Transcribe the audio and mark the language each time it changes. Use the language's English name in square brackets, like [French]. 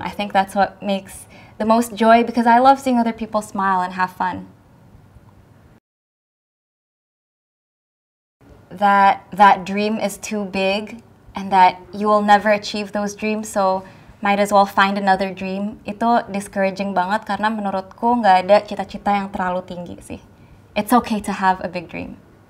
[English] I think that's what makes the most joy, because I love seeing other people smile and have fun. That dream is too big, and that you will never achieve those dreams, so might as well find another dream. [Indonesian] Itu discouraging banget karena menurutku nggak ada cita-cita yang terlalu tinggi sih. [English] It's okay to have a big dream.